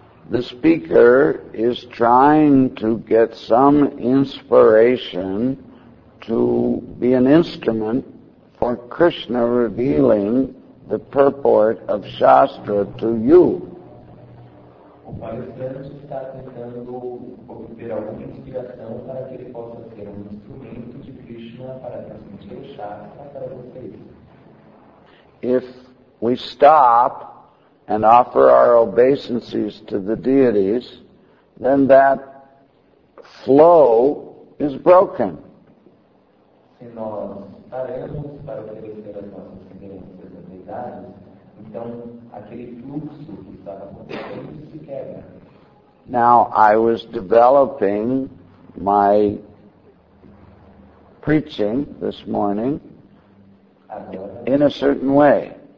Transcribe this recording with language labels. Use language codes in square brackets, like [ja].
[en] The speaker is trying to get some inspiration to be an instrument for Krishna revealing the purport of Shastra to you. [pt] O palestrante está tentando obter alguma inspiração para que ele possa ser um instrumento de Krishna para transmitir o Shastra para vocês. [en] If we stop and offer our obeisances to the deities, then that flow is broken. [pt] Se nós paramos para oferecer as nossas reverências às deidades, então aquele fluxo que estava acontecendo se quebra. [en] Now, I was developing my preaching this morning in a certain way.